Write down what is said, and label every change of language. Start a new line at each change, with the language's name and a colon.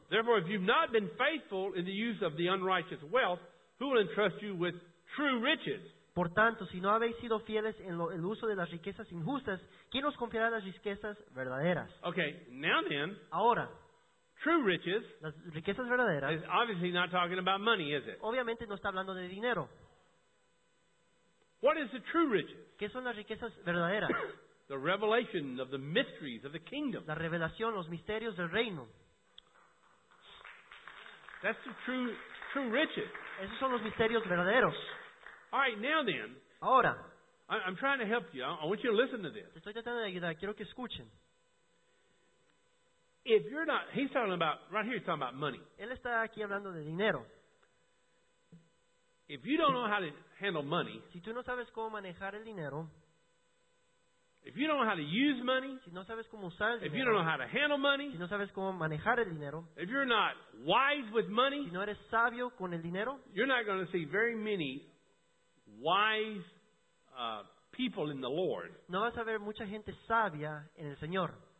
English: Therefore, if you've not been faithful in the use of the unrighteous wealth, who will entrust you with true riches?
Spanish: Por tanto, si no habéis sido fieles en el uso de las riquezas injustas, ¿quién os confiará las riquezas verdaderas?
English: Okay, now then.
Spanish: Ahora.
English: True riches.
Spanish: Las riquezas verdaderas.
English: Is obviously not talking about money, is it?
Spanish: Obviamente no está hablando de dinero.
English: What is the true riches?
Spanish: ¿Qué son las riquezas verdaderas?
English: The revelation of the mysteries of the kingdom.
Spanish: La revelación, los misterios del reino.
English: That's the true riches.
Spanish: Esos son los misterios verdaderos.
English: All right, now then.
Spanish: Ahora.
English: I'm trying to help you. I want you to listen to this.
Spanish: Te estoy tratando de ayudar. Quiero que escuchen.
English: If you're not, he's talking about, right here he's talking about money.
Spanish: Él está aquí hablando de dinero.
English: If you don't know how to handle money,
Spanish: si tú no sabes cómo manejar el dinero,
English: if you don't know how to use money,
Spanish: si no sabes cómo usar el dinero,
English: if you don't know how to handle money,
Spanish: si no sabes cómo manejar el dinero,
English: if you're not wise with money,
Spanish: si no eres sabio con el dinero,
English: you're not going to see very many wise people in the Lord.
Spanish: No vas a ver mucha gente sabia en el Señor.